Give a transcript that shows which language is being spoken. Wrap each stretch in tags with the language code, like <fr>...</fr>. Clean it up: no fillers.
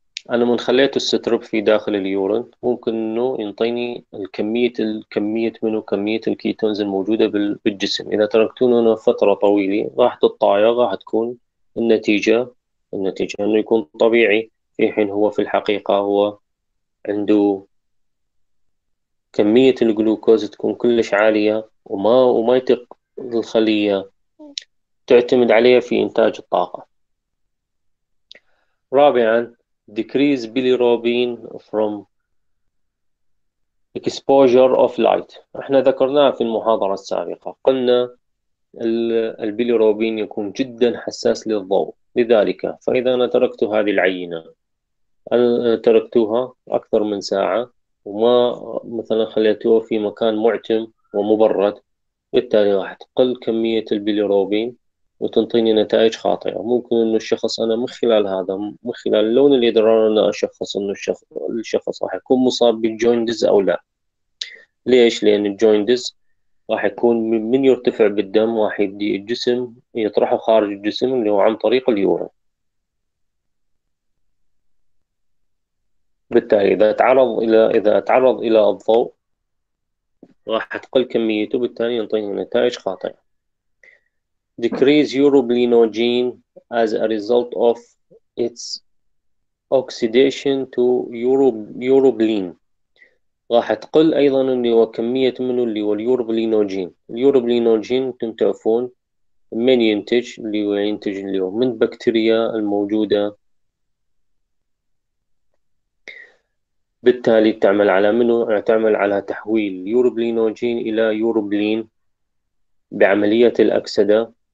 <ar>أنا من خليت السترب في داخل اليورين ممكن إنه ينطيني كمية الكيتونز الموجودة بالجسم، إذا تركتونه فترة طويلة راح تتطاير، راح تكون النتيجة إنه يكون طبيعي، في حين هو في الحقيقة هو عنده كمية الجلوكوز تكون كلش عالية، وما يطيق الخلية تعتمد عليها في إنتاج الطاقة. رابعا،</ar> <en>decrease bilirubin from exposure of light.</en> <ar>احنا ذكرناها في المحاضرة السابقة، قلنا البيليروبين يكون جدا حساس للضوء، لذلك فإذا أنا تركت هذه العينة، أنا تركتها أكثر من ساعة وما مثلا خليتوها في مكان معتم ومبرد، بالتالي راح تقل كمية البيليروبين وتنطيني نتائج خاطئة. ممكن إنه الشخص، أنا من خلال هذا، من خلال لون الإضرار، أنا أشخص إنه الشخص راح يكون مصاب بالجويندز أو لا. ليش؟ لأن الجويندز راح يكون من يرتفع بالدم راح يبدي الجسم يطرحه خارج الجسم اللي هو عن طريق اليورين. بالتالي إذا تعرض إلى الضوء راح تقل كميته، بالتالي ينطيني نتائج خاطئة.</ar> <en>Decrease urobilinogen as a result of its oxidation to urobilin.</en> <ar>راح تقل أيضا اللي هو كمية منه اللي هو اليوروبلينوجين. اليوروبلينوجين أنتم تعرفون من ينتج، اللي هو ينتج اللي هو من بكتيريا الموجودة، بالتالي تعمل على منه، تعمل على تحويل اليوروبلينوجين إلى يوروبلين بعملية الأكسدة.</ar>